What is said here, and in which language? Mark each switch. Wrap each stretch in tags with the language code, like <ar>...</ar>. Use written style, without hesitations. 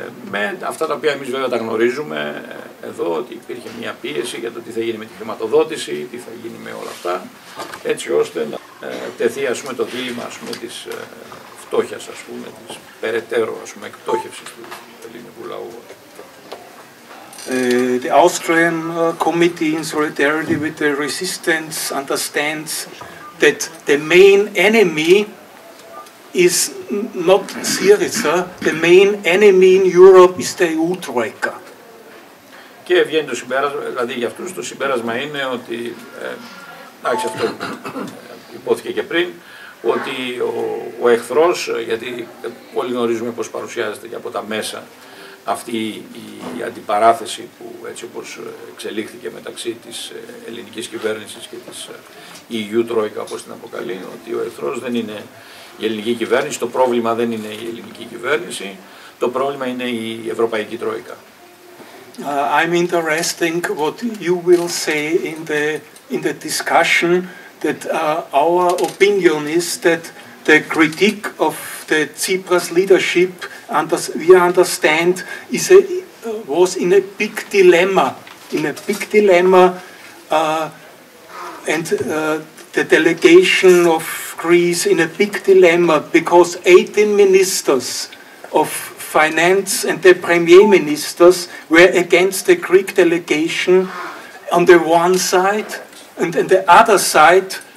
<el>με αυτά τα οποία εμείς βέβαια τα γνωρίζουμε εδώ, ότι υπήρχε μια πίεση για το τι θα γίνει με τη χρηματοδότηση, τι θα γίνει με όλα αυτά, έτσι ώστε να τεθεί, ας πούμε, το δίλημα, ας πούμε, της φτώχειας, ας πούμε, της περαιτέρω, ας πούμε, εκτόχευσης του ελληνικού λαού.</el> <en>The Austrian Committee in solidarity with the resistance understands that the main enemy is not Syriza, the main enemy in Europe is the EU Troika.</en> <el>Και βγαίνει το συμπέρασμα, δηλαδή για αυτούς το συμπέρασμα είναι ότι, εντάξει, αυτό υπόθηκε και πριν, ότι ο εχθρός, γιατί όλοι γνωρίζουμε πώς παρουσιάζεται και από τα μέσα αυτή η αντιπαράθεση που έτσι όπως εξελίχθηκε μεταξύ της ελληνικής κυβέρνησης και της EU Troika, όπως την αποκαλεί, ότι ο εχθρός δεν είναι η ελληνική κυβέρνηση, το πρόβλημα δεν είναι η ελληνική κυβέρνηση, το πρόβλημα είναι η Ευρωπαϊκή Τρόικα.</el> <en>I'm interested what you will say in the discussion, that our opinion is that the critique of the Tsipras leadership, we understand, was in a big dilemma, and the delegation of Greece in a big dilemma, because 18 ministers of finance and the premier ministers were against the Greek delegation on the one side, and on the other side,</en>